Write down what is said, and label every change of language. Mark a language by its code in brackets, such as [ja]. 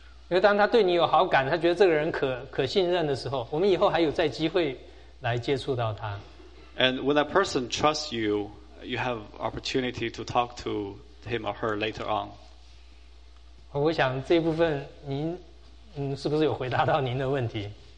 [zh] 因为当他对你有好感，他觉得这个人可信任的时候，我们以后还有再机会来接触到他。 [en] And when that person trusts you, you have opportunity to talk to him or her later on. [zh] 我想这部分您。是不是有回答到您的问题？